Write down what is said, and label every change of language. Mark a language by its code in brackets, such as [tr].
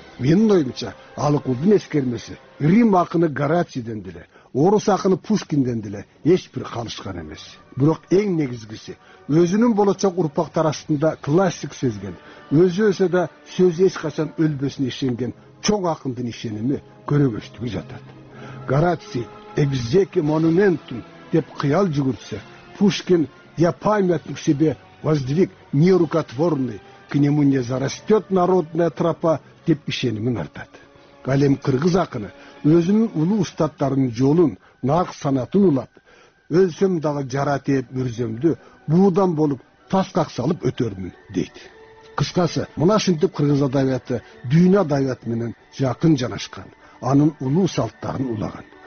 [ky] Менин оюмча, Алыкулдун эскермеси Рим акыны Гарацийден деле, орус акыны Пушкинден деле эч бир калышкан эмес. Бирок эң негизгиси, өзүнүн болочок урпактар арасында классик сезген, өзү өлсө да сөзү эч качан өлбөсүнө ишенген чоң акындын ишеними көрөгөчтүгү жатат. Гараций экзеки монументум деп кыял жүгүртсе, [ru] Пушкин я памятник себе воздвиг нерукотворный, к нему не зарастет народная тропа [ky] деп ишенимин артат. Ал эми кыргыз акыны өзүнүн улуу устаттарынын жолун, наак санатын улап, өлсөм дагы жара тиеп мүрзөмдү буудан болуп таскак салып өтөрмүн дейт. Кыскасы, мына ушинтип кыргыз адабияты дүйнө адабияты менен жакын жанашкан, анын улуу салттарын улаган.